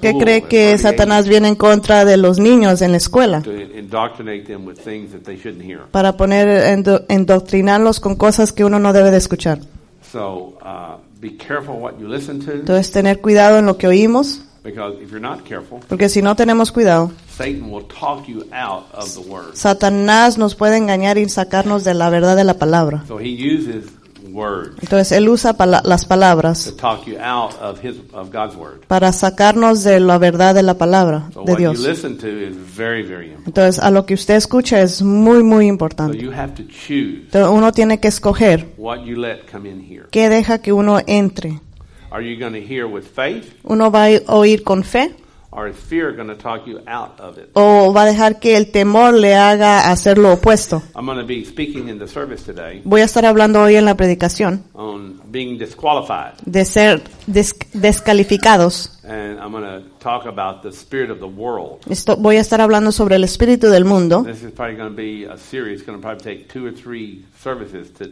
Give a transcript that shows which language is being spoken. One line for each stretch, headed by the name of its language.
Spanish: ¿Por qué cree que Satanás viene en contra de los niños en la escuela?
English: To indoctrinate them with things that they shouldn't hear.
Spanish: Para poner indoctrinarlos con cosas que uno no debe de escuchar.
English: So, be careful what you listen to.
Spanish: Entonces, tener cuidado en lo que oímos.
English: Because if you're not careful,
Spanish: porque si no tenemos cuidado,
English: Satan will talk you out of the word.
Spanish: Satanás nos puede engañar y sacarnos de la verdad de la palabra.
English: So he uses words.
Spanish: Entonces él usa las palabras
English: to talk you out of of God's word.
Spanish: Para sacarnos de la verdad de la palabra
English: so
Spanish: de
English: what
Spanish: Dios.
English: You listen to is very, very important.
Spanish: Entonces a lo que usted escucha es muy, muy importante.
English: So you have to choose.
Spanish: Entonces, uno tiene que escoger
English: what you let come in here.
Spanish: Qué deja que uno entre.
English: Are you going to hear with faith?
Spanish: ¿Uno va a oír con fe?
English: Or is fear going to talk you out of it?
Spanish: ¿O va a dejar que el temor le haga hacer lo opuesto?
English: I'm going to be speaking in the service today.
Spanish: Voy a estar hablando hoy en la predicación.
English: On being disqualified.
Spanish: De ser descalificados.
English: And I'm going to talk about the spirit of the world.
Spanish: Voy a estar hablando sobre el espíritu del mundo.
English: This is probably going to be a series. It's going to probably take 2 or 3 services to.